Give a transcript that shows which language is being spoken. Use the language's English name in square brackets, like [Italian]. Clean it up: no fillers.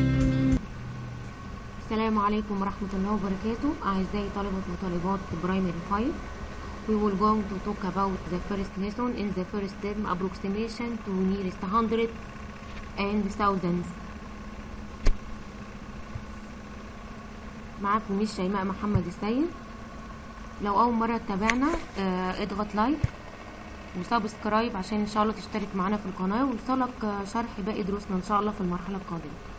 [Arabic] عليكم ورحمة الله وبركاته. أعزائي طلبة وطالبات برايمري 5, [English] we will go to talk about the first lesson in the first term, approximation to nearest hundredths and thousandths. [Arabic] معاكم مش شيماء محمد السيد. لو أول مرة تتابعنا اضغط لايك وسبسكرايب عشان إن شاء الله تشترك معنا في القناة ويوصلك شرح باقي دروسنا إن شاء الله في المرحلة القادمة.